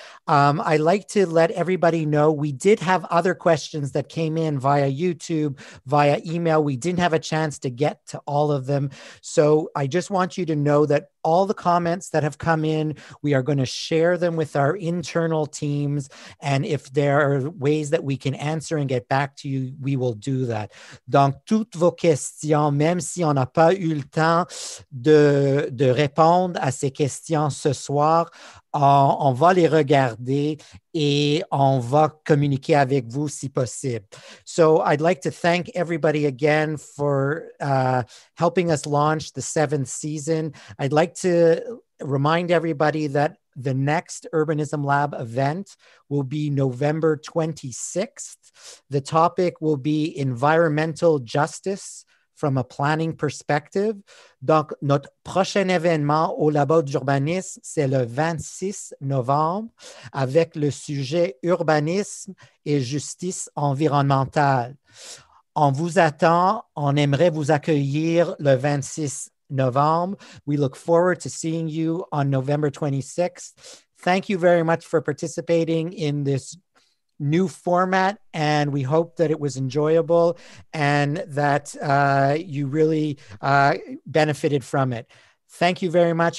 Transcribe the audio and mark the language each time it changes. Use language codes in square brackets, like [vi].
[en] I like to let everybody know we did have other questions that came in via YouTube, via email. We didn't have a chance to get to all of them. So I just want you to know that all the comments that have come in, we are going to share them with our internal teams. And if there are ways that we can answer and get back to you, we will do that. [fr] Donc, toutes vos questions, même si on n'a pas eu le temps de répondre à ces questions ce soir, on va les regarder et on va communiquer avec vous si possible. [en] So I'd like to thank everybody again for helping us launch the 7th season. I'd like to remind everybody that the next Urbanism Lab event will be November 26th. The topic will be environmental justice from a planning perspective. [fr] Donc, notre prochain événement au Labo d'urbanisme, c'est le 26 novembre avec le sujet urbanisme et justice environnementale. On vous attend, on aimerait vous accueillir le 26 novembre. [en] We look forward to seeing you on November 26th. Thank you very much for participating in this new format, and we hope that it was enjoyable and that you really benefited from it. Thank you very much.